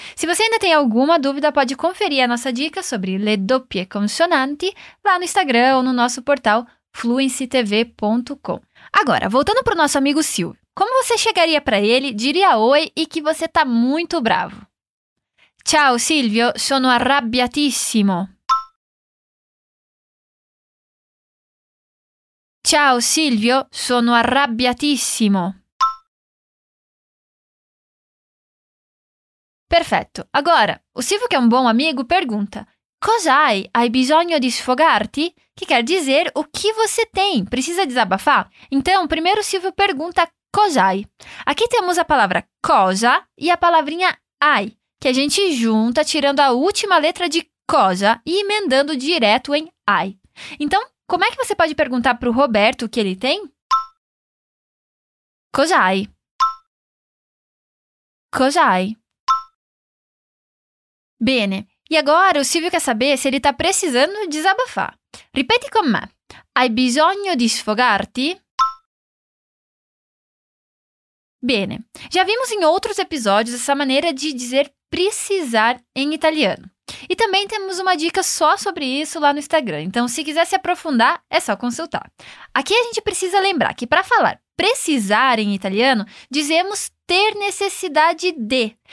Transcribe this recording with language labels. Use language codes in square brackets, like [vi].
[pt] Se você ainda tem alguma dúvida, pode conferir a nossa dica sobre le doppie consonanti lá no Instagram ou no nosso portal fluencytv.com. Agora, voltando para o nosso amigo Silvio. Como você chegaria para ele, diria oi e que você está muito bravo? [it] Ciao Silvio, sono arrabbiatissimo! Ciao Silvio, sono arrabbiatissimo. Perfetto. [pt] Agora, o [it] Silvio, che è un buon amico, [pt] pergunta: [it] cos'hai? Hai bisogno di sfogarti? [pt] Che quer dizer o que você tem? Precisa desabafar? Então, primeiro o Silvio pergunta: [it] cos'hai? [pt] Aqui temos a palavra cosa e a palavrinha ai, que a gente junta tirando a última letra de cosa e emendando direto em ai. Então, como é que você pode perguntar para o Roberto o que ele tem? [it] Cos'hai? Cos'hai? [pt] Bene. E agora o Silvio quer saber se ele está precisando desabafar. [it] Ripete com me. Hai bisogno di sfogarti? Bene. [pt] Já vimos em outros episódios essa maneira de dizer precisar em italiano. E também temos uma dica só sobre isso lá no Instagram. Então, se quiser se aprofundar, é só consultar. Aqui a gente precisa lembrar que para falar precisar em italiano, dizemos ter necessidade de.